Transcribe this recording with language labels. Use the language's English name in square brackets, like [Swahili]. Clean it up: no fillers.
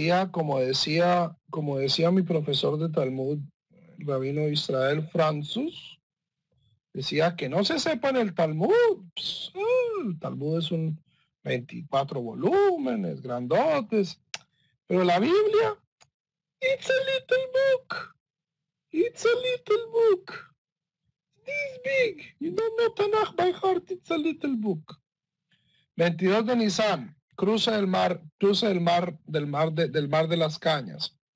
[Spanish] Como decía mi profesor de Talmud, el rabino de Israel, Francis, decía que no se sepa en el Talmud. El Talmud es un 24 volúmenes, grandotes. Pero la Biblia, [English] it's a little book. It's a little book. This big. You don't know Tanakh by heart. It's a little book. [Spanish] 22 de Nisan. Cruza el mar de las cañas.